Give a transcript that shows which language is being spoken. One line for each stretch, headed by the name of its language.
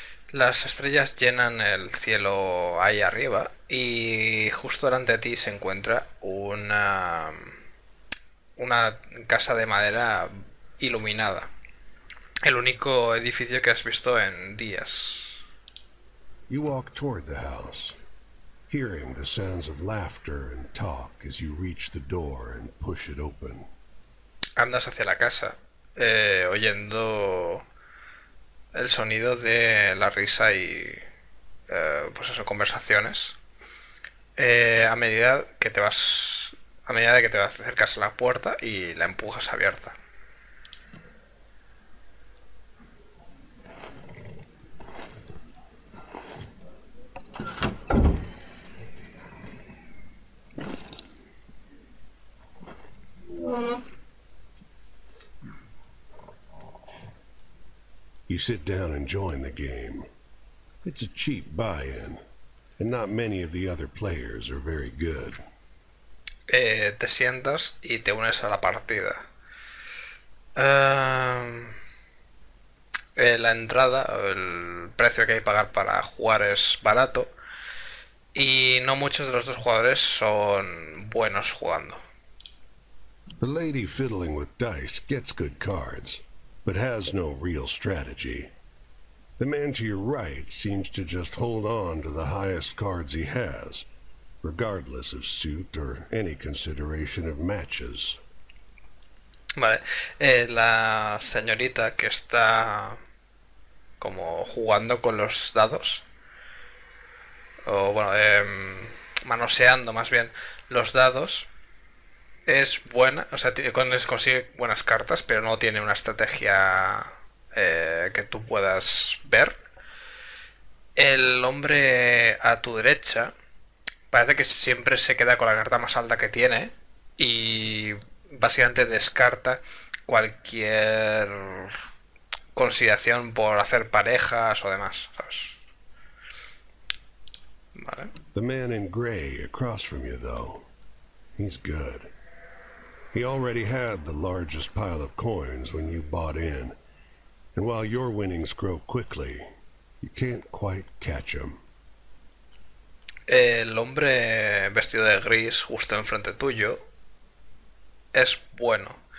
Spanish: Las estrellas llenan el cielo ahí arriba y justo delante de ti se encuentra una casa de madera iluminada. El único edificio que has visto en días.
English: You walk toward the house, hearing the sounds of laughter and talk as you reach the door and push it open.
Spanish: Andas hacia la casa, oyendo el sonido de la risa y pues eso, conversaciones. A medida de que te acercas a la puerta y la empujas abierta.
English: You sit down and join the game. It's a cheap buy-in, and not many of the other players are very good.
Spanish: Te sientas y te unes a la partida. La entrada, el precio que hay que pagar para jugar es barato y no muchos de los dos jugadores son buenos jugando.
English: The lady fiddling with dice gets good cards, but has no real strategy. The man to your right seems to just hold on to the highest cards he has, regardless of suit or any consideration of matches.
Spanish: Vale, la señorita que está como jugando con los dados, o bueno, manoseando más bien los dados, es buena, o sea, consigue buenas cartas, pero no tiene una estrategia que tú puedas ver. El hombre a tu derecha parece que siempre se queda con la carta más alta que tiene y básicamente descarta cualquier consideración por hacer parejas o demás, ¿sabes? Vale.
English: The man in gray across from you, though, he's good. He already had the largest pile of coins when you bought in, and while your winnings grow quickly, you can't quite catch him.
Spanish: El hombre vestido de gris justo enfrente tuyo es bueno.